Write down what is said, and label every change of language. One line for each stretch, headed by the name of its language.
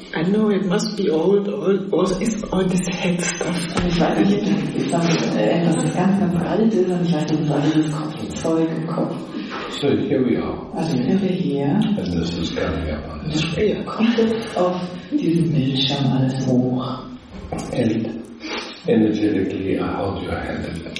English: I know it must be old, it's all this head stuff.
German: Und ich weiß nicht, ich sage, etwas ist ganz, ganz alt ist, und ich weiß, das ist all dieses Kopfzeug im Kopf.
English: So, here we are.
German: Also, hier sind wir hier.
English: And this is coming up on this screen.
German: Ja, kommt jetzt auf diesen Bildschirm alles hoch.
English: And energetically, I hold your hand in it.